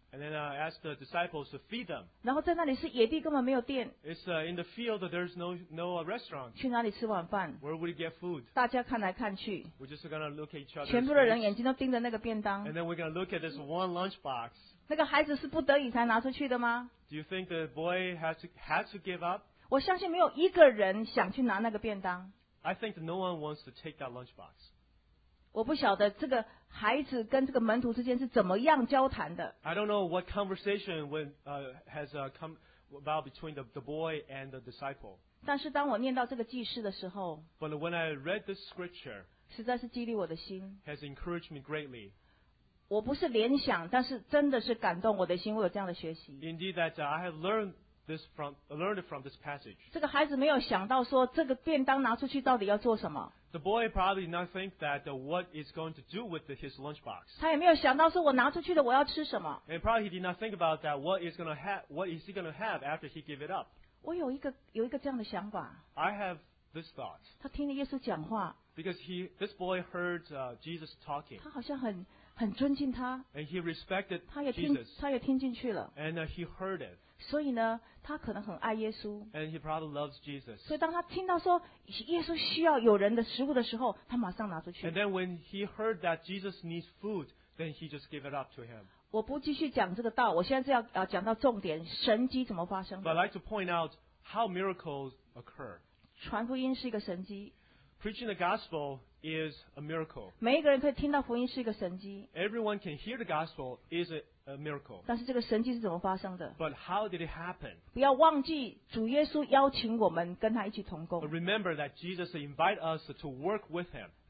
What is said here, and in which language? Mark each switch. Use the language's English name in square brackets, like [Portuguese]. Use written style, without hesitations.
[English] And then ask the disciples to feed them. [Chinese] 然后在那里是野地，根本没有电。 [English] It's in the field. There's no restaurant. [Chinese] 去哪里吃晚饭 [English] ？Where would we get food? [Chinese] 大家看来看去。 [English] We're just gonna look at each other. [Chinese] 全部的人眼睛都盯着那个便当。 [English] And then we're gonna look at this one lunchbox. [Chinese] 那个孩子是不得已才拿出去的吗 [English] ？Do you think the boy has to give up? [Chinese] 我相信没有一个人想去拿那个便当。 [English] I think no one wants to take that lunchbox. [Chinese] 我不晓得这个孩子跟这个门徒之间是怎么样交谈的。 [English] I don't know what conversation has come about between the boy and the disciple. [Chinese] 但是当我念到这个记事的时候 [English] ，But when I read this scripture， [Chinese] 实在是激励我的心 [English] ，has encouraged me greatly。 [Chinese] 我不是联想，但是真的是感动我的心，我有这样的学习。 [English] Indeed, that I have learned this from this passage. [Chinese] 这个孩子没有想到说这个便当拿出去到底要做什么。 [English] The boy probably did not think that what is going to do with his lunchbox. [Chinese] 他也没有想到说我拿出去的我要吃什么。 [English] And probably he did not think about that what is he going to have after he gave it up. [Chinese] 我有一个这样的想法。 [English] I have this thought. [Chinese] 他听了耶稣讲话。 [English] Because this boy heard Jesus talking. [Chinese] 他好像很尊敬他。 [English] And he respected [Chinese] Jesus. 他也听进去了。 [English] And he heard it. [Chinese] 所以呢，他可能很爱耶稣。 [English] And he probably loves Jesus. [Chinese] 所以当他听到说耶稣需要有人的食物的时候，他马上拿出去。 [English] And then when he heard that Jesus needs food, then he just gave it up to him. [Chinese] 我不继续讲这个道，我现在是要讲到重点，神迹怎么发生的。 [English] But I'd like to point out how miracles occur. [Chinese] 传福音是一个神迹。 [English] Preaching the gospel is a miracle. [Chinese] 每一个人可以听到福音是一个神迹。 [English] Everyone can hear the gospel is a miracle. [Chinese] 但是这个神迹是怎么发生的？ [English] But how did it happen? [Chinese] 不要忘记主耶稣邀请我们跟他一起同工。 [English] But remember that Jesus invited us to work with him.